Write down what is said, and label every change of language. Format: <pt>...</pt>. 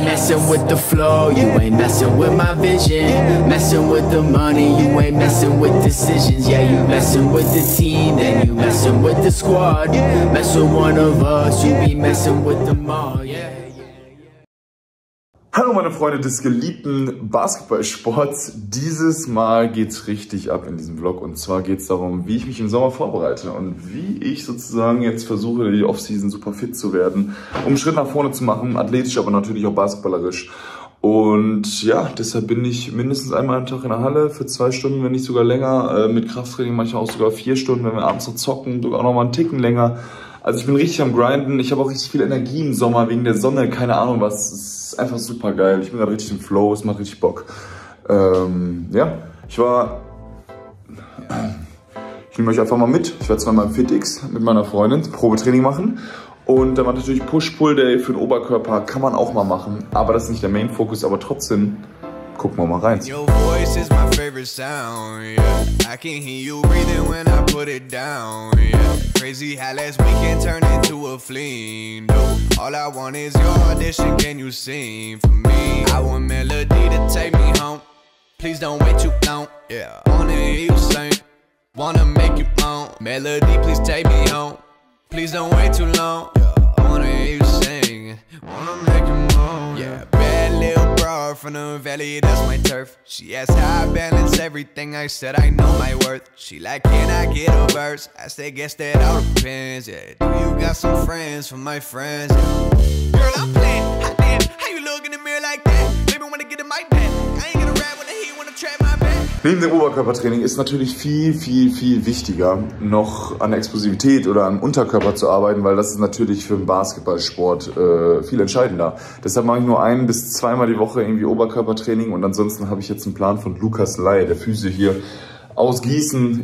<en>messing with the flow, you ain't messing with my vision. Messing with the money, you ain't messing with decisions. Yeah, you messing with the team, then you messing with the squad. Mess with one of us, you be messing with them all, yeah.</en> <de>Hallo meine Freunde des geliebten Basketballsports. Dieses Mal geht's richtig ab in diesem Vlog. Und zwar geht's darum, wie ich mich im Sommer vorbereite und wie ich sozusagen jetzt versuche, die Offseason super fit zu werden, um einen Schritt nach vorne zu machen, athletisch, aber natürlich auch basketballerisch. Und ja, deshalb bin ich mindestens einmal am Tag in der Halle für 2 Stunden, wenn nicht sogar länger, mit Krafttraining manchmal auch sogar 4 Stunden, wenn wir abends noch zocken, sogar noch mal einen Ticken länger. Also ich bin richtig am Grinden. Ich habe auch richtig viel Energie im Sommer wegen der Sonne, keine Ahnung was. Ist einfach super geil. Ich bin gerade richtig im Flow, es macht richtig Bock. Ja, ich nehme euch einfach mal mit. Ich war 2-mal im FitX mit meiner Freundin Probetraining machen. Und dann war natürlich Push-Pull-Day für den Oberkörper, kann man auch mal machen. Aber das ist nicht der Main-Focus, aber trotzdem gucken wir mal rein.</de> <en>Your voice is my favorite sound, yeah. I can hear you breathing when I put it down, yeah. Crazy how last weekend turned into a fling, though. All I want is your audition, can you sing for me? I want melody to take me home, please don't wait too long, yeah. Wanna hear you sing, wanna make you moan. Melody, please take me home, please don't wait too long, yeah. Wanna hear you sing, wanna make you moan, yeah. Bad little bro from the valley, that's my turf. She asked how I balance everything, I said I know my worth. She like, can I get a verse? I say, guess that all depends, yeah. Do you got some friends for my friends, yeah. Girl, I'm playing, hot damn. How you look in the mirror like that? Baby, wanna get in my bed. I ain't gonna rap when the heat wanna trap my back.</en> <de>Neben dem Oberkörpertraining ist natürlich viel, viel, viel wichtiger, noch an Explosivität oder am Unterkörper zu arbeiten, weil das ist natürlich für den Basketballsport viel entscheidender. Deshalb mache ich nur 1 bis 2 Mal die Woche irgendwie Oberkörpertraining und ansonsten habe ich jetzt einen Plan von Lukas Ley, der Physio hier aus Gießen.</de>